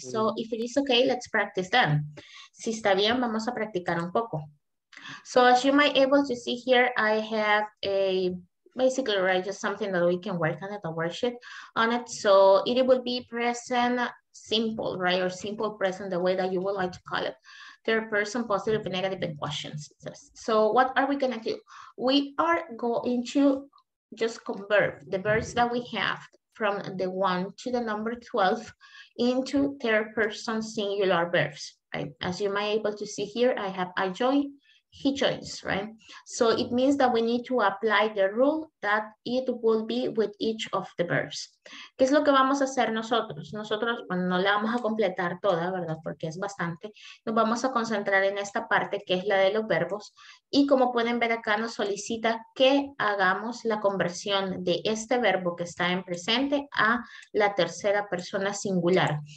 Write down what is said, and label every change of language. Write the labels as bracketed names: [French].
[English] So if it is okay, let's practice then. [Spanish] Si está bien, vamos a practicar un poco. [English] So as you might able to see here, I have a basically, right, just something that we can work on it, a worksheet on it. So it will be present simple, right? Or simple present, the way that you would like to call it. Third person, positive and negative and questions. So what are we gonna do? We are going to just convert the verbs that we have from the 1 to the number 12 into third person singular verbs, right? As you might able to see here, I have I join, he joins, right? So it means that we need to apply the rule that it will be with each of the verbs. [Spanish] ¿Qué es lo que vamos a hacer nosotros? Nosotros, bueno, no la vamos a completar toda, ¿verdad? Porque es bastante. Nos vamos a concentrar en esta parte que es la de los verbos. Y como pueden ver acá, nos solicita que hagamos la conversión de este verbo que está en presente a la tercera persona singular.